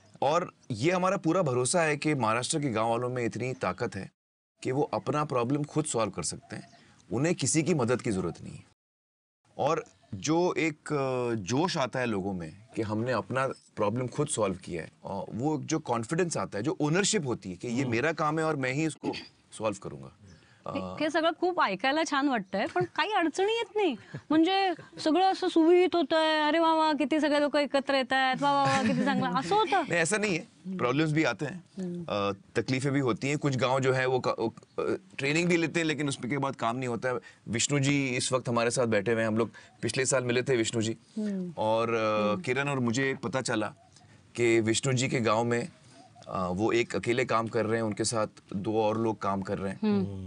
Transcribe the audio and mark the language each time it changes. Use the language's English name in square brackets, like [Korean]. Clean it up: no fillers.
[Hindi] और ये हमारा पूरा भरोसा है कि महाराष्ट्र के गाँव वालों में इतनी ताकत है कि वो अपना प्रॉब्लम खुद सॉल्व कर सकते हैं, उन्हें किसी की मदद की जरूरत नहीं है। और जो एक जोश आता है लोगों में कि हमने अपना प्रॉब्लम खुद सॉल्व किया है, वो जो कॉन्फिडेंस आता है, जो ओनरशिप होती है कि ये मेरा काम है और मैं ही इसको सॉल्व करूंगा, [Marathi] हे सगळं खूप ऐकायला छान वाटतंय, पण काही अडचणी येत नाही. म्हणजे सगळं असं सुविहित होतंय, अरे वा वा किती सगळे लोक एकत्र येत आहेत, वा वा वा किती चांगलं असं होतं. नाही असं नाही आहे, [Hindi] प्रॉब्लेम्स भी आते हैं, तकलीफें भी होती हैं. कुछ गांव जो है वो ट्रेनिंग भी लेते हैं लेकिन उसके बाद काम नहीं होता है. विष्णु जी इस वक्त हमारे साथ बैठे हुए हैं, हम लोग पिछले साल मिले थे विष्णु जी और किरण, और मुझे पता चला कि विष्णु जी के गाँव में वो एक अकेले काम कर रहे हैं, उनके साथ दो और लोग काम कर रहे हैं.